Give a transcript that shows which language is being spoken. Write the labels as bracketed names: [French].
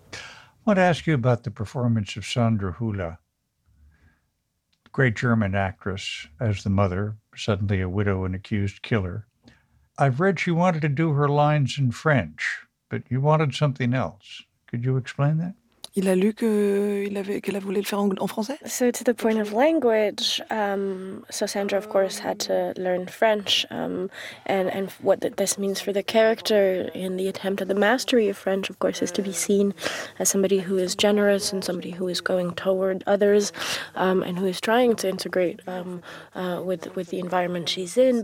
[English] I want to ask you about the performance of Sandra Hüller, great German actress, as the mother, suddenly a widow and accused killer. I've read she wanted to do her lines in French, but you wanted something else. Could you explain that? [French] Il a lu que qu'elle a voulu le faire en français. [English] So to the point of language, so Sandra of course had to learn French, and what this means for the character in the attempt at the mastery of French, of course, is to be seen as somebody who is generous and somebody who is going toward others, and who is trying to integrate with the environment she's in.